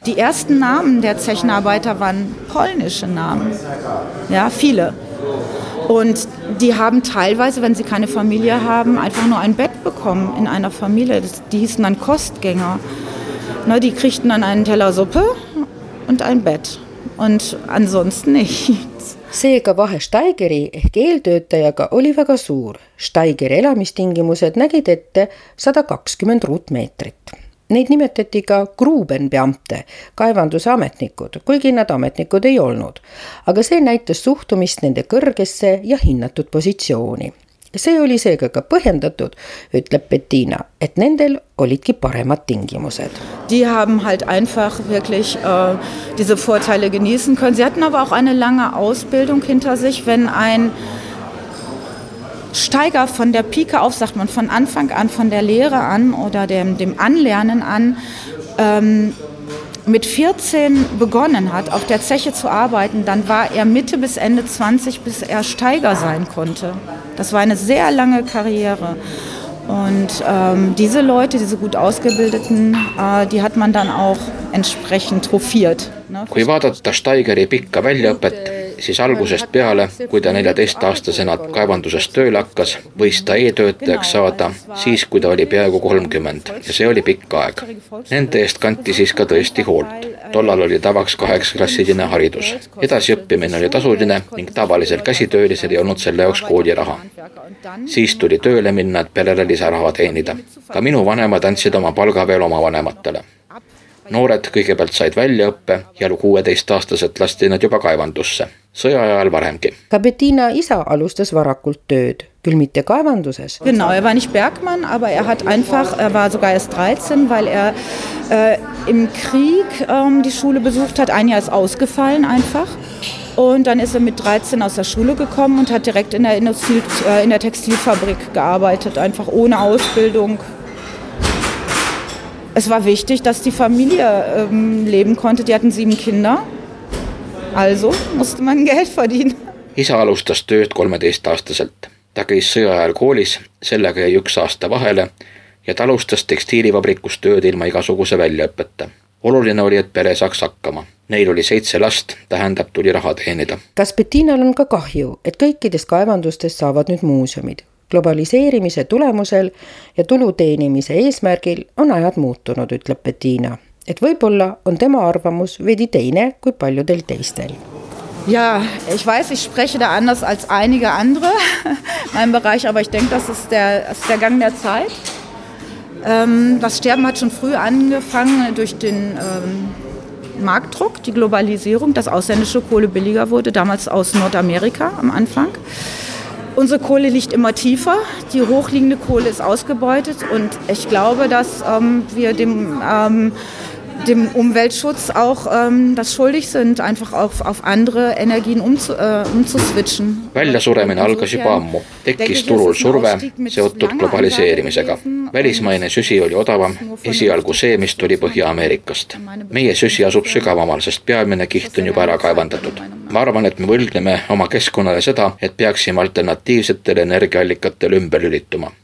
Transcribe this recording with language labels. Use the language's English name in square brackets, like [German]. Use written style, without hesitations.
[German] Die ersten Namen der Zechenarbeiter waren polnische Namen. Ja, viele. Und die haben teilweise, wenn sie keine Familie haben, einfach nur ein Bett bekommen in einer Familie. Die hießen dann Kostgänger. Na, die kriegten dann einen Teller Suppe und ein Bett. Und ansonsten nichts. [Estonian] Seega vahe Steigeri ehk eeltöötajaga oli väga suur. Steigeri elamistingimused nägid ette 120 ruutmeetrit. Neid nimetati ka Grubenbeamte, kaevanduse ametnikud, kuigi nad ametnikud ei olnud. Aga see näitas suhtumist nende kõrgesse ja hinnatud positsiooni. See oli seega ka põhjendatud, ütleb Bettina, et nendel olidki paremad tingimused. [German] Die haben halt einfach wirklich diese Vorteile genießen können. Sie hatten aber auch eine lange Ausbildung hinter sich, wenn ein Steiger von der Pike auf, sagt man von Anfang an, von der Lehre an oder dem Anlernen an, mit 14 begonnen hat, auf der Zeche zu arbeiten, dann war er Mitte bis Ende 20, bis er Steiger sein konnte. Das war eine sehr lange Karriere. Und diese Leute, diese gut ausgebildeten, die hat man dann auch entsprechend trofiert. [Estonian] Kui vaadata Steigeri pikka väljaõpet, siis algusest peale, kui ta 14-aastasena kaevanduses tööle hakkas, võis ta e-töötajaks saada siis, kui ta oli peaaegu 30 ja see oli pikk aeg. Nende eest kanti siis ka tõesti hoolt. Tollal oli tavaks 8-klassiline haridus. Edasi õppimine oli tasuline ning tavalisel käsitöölisel ei olnud selle jaoks kooli raha. Siis tuli tööle minna, et perele lisaraha teenida. Ka minu vanemad andsid oma palga veel oma vanematele. Noored kõigepealt said välja õppe ja 16-aastased lasti nad juba kaevandusse, sõja ajal varemgi. Ka Bettina isa alustas varakult tööd, küll mitte kaevanduses. [German] Genau, er war nicht Bergmann, aber er hat einfach, er war sogar erst 13, weil er im Krieg die Schule besucht hat, ein Jahr ist ausgefallen einfach. Und dann ist er mit 13 aus der Schule gekommen und hat direkt in der Textilfabrik gearbeitet, einfach ohne Ausbildung. Es war wichtig, dass die Familie leben konnte. Die hatten 7 Kinder. Also musste man Geld verdienen. [Estonian] Isa alustas tööd 13-aastaselt. Ta käis sõja ajal koolis, sellega jäi 1 aasta vahele ja ta alustas tekstiilivabrikus tööd ilma igasuguse väljaõpeta. Oluline oli, et pere saaks hakkama. Neil oli 7 last, tähendab tuli raha teenida. Kas Bettinal on ka kahju, et kõikides kaevandustes saavad nüüd muuseumid? Globaliseerimise tulemusel ja tuluteenimise eesmärgil on ajad muutunud, ütleb Bettina. Et võib-olla on tema arvamus veidi teine kui paljudel teistel. [German] Ja, ich weiß, ich spreche da anders als einige andere in meinem Bereich, aber ich denke, das ist der Gang der Zeit. Das Sterben hat schon früh angefangen durch den Marktdruck, die Globalisierung, dass ausländische Kohle billiger wurde, damals aus Nordamerika am Anfang. Unsere Kohle liegt immer tiefer, die hochliegende Kohle ist ausgebeutet und ich glaube, dass wir dem Umweltschutz auch das schuldig sind, einfach auf andere Energien umzuswitchen. [Estonian] Väljasuremine algas juba ammu. Tekkis turul surve, seotud globaliseerimisega. Välismaine süsi oli odavam, esialgu see, mis tuli Põhja-Ameerikast. Meie süsi asub sügavamal, sest peamine kiht on juba ära kaevandatud. Ma arvan, et me võlgneme oma keskkonnale seda, et peaksime alternatiivsetele energiaallikatele ümber lülituma.